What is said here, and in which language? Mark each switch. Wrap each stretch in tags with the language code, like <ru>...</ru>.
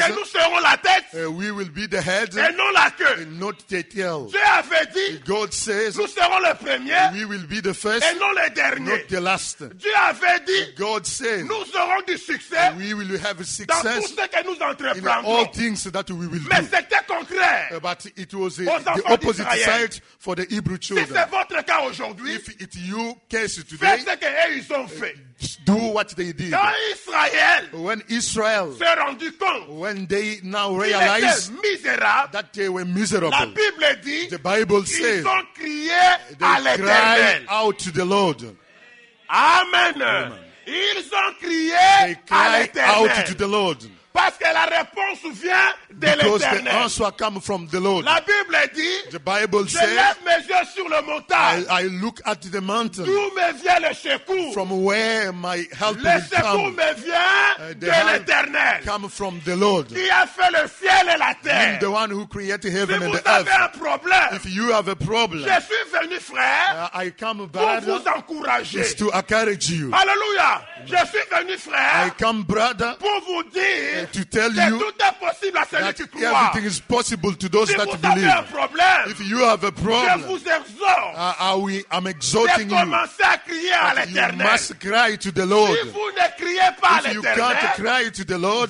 <fr>Que nous serons la tête.</fr> <en>We will be the head.</en> <fr>Et non la queue.</fr> <en>And not the tail.</en> <fr>Dieu avait dit.</fr> <en>God says.</en> <fr>Nous serons le premier.</fr> <en>We will be the first.</en> <fr>Et non le dernier.</fr> <en>Not the last.</en> <fr>Dieu avait dit.</fr> <en>God says.</en> <fr>Nous serons du succès.</fr> <en>We will have success.</en> <fr>Dans tout ce que nous entreprendrons.</fr> <en>In all things that we will</en> <fr>mais</fr> <en>do.</en> <fr>Mais c'était concret.</fr> <en>But it was the opposite side for the Hebrew children.</en> <fr>Si c'est votre cas aujourd'hui.</fr> <en>If it's your case today,</en> <fr>faites ce qu'ils ont fait.</fr> <en>Do what they did.</en> <fr>Israël</fr> <en>when Israel</en> <fr>s'est rendu compte,</fr> <en>when they now realized miserable, that they were miserable,</en> <fr>la Bible dit,</fr> <en>the Bible says,</en> <fr>ils ont crié</fr> <en>they</en> <fr>à</fr> <en>cried out to the Lord.</en> <fr>Amen. Amen. Ils ont crié</fr> <en>they cried out to the Lord.</en> <fr>Parce que la réponse vient de</fr> <en>because</en> <fr>l'Éternel.</fr> <en>The answer comes from the Lord.</en> <fr>La Bible dit,</fr> <en>the Bible</en> <fr>je</fr> <en>says,</en> <fr>lève mes yeux sur le montagne.</fr> <en>I look at the mountain.</en> <fr>D'où me vient le secours?</fr> <en>From where my help</en> <fr>le</fr> <en>will come.</en> <fr>Le secours me vient de l'Éternel.</fr> <en>Come from the Lord.</en> <fr>Qui a fait le ciel et la terre.</fr> <en>I'm the one who created heaven</en> <fr>si</fr> <en>and the earth.</en> <fr>Si vous avez un problème,</fr> <en>if you have a problem,</en> <fr>je suis venu frère,</fr> <en>I come brother,</en> <fr>pour vous encourager.</fr> <en>Is to encourage you.</en> <fr>Alléluia. Je suis venu frère,</fr> <en>I come brother,</en> <fr>pour vous dire,</fr> <en>to tell</en> <fr>que</fr> <en>you</en> <fr>tout est possible à celui qui croit.</fr> <en>Everything is possible to those</en> <fr>si</fr> <en>that believe.</en> <fr>Problème,</fr> <en>if you have a problem,</en> <fr>je vous exhorte.</fr> <en>I'm exhorting you.</en> <fr>À crier à l'Éternel.</fr> <en>You must cry to the Lord.</en> <fr>Si vous ne criez pas</fr> <en>if you can't cry to the Lord,</en>